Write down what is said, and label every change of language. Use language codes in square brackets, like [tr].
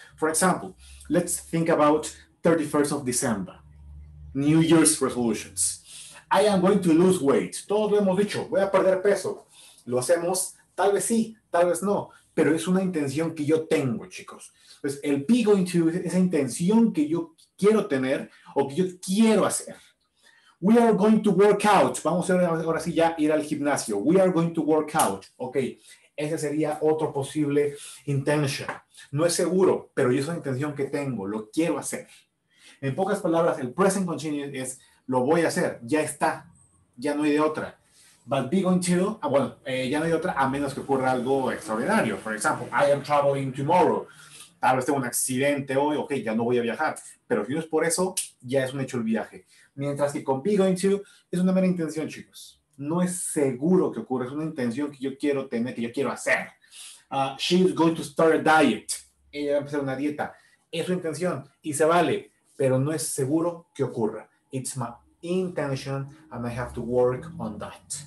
[en] For example, let's think about 31st of December, New Year's resolutions. I am going to lose weight. [es] Todos lo hemos dicho, voy a perder peso. Lo hacemos, tal vez sí, tal vez no, pero es una intención que yo tengo, chicos. Pues el be going to es esa intención que yo quiero tener o que yo quiero hacer. [en] We are going to work out. [es] Vamos a hacer ahora sí ya ir al gimnasio. [en] We are going to work out. [es] Ok, ese sería otro posible intention. No es seguro, pero yo es una intención que tengo. Lo quiero hacer. En pocas palabras, el present continuous es lo voy a hacer. Ya está. Ya no hay de otra. But be going to, ya no hay otra a menos que ocurra algo extraordinario. [en] For example, I am traveling tomorrow. [es] Tal vez tengo un accidente hoy, ok, ya no voy a viajar. Pero si no es por eso, ya es un hecho el viaje. Mientras que con be going to, es una mera intención, chicos. No es seguro que ocurra, es una intención que yo quiero tener, que yo quiero hacer. [en] She is going to start a diet. [es] Ella va a empezar una dieta. Es su intención y se vale, pero no es seguro que ocurra. [en] It's my intention and I have to work on that.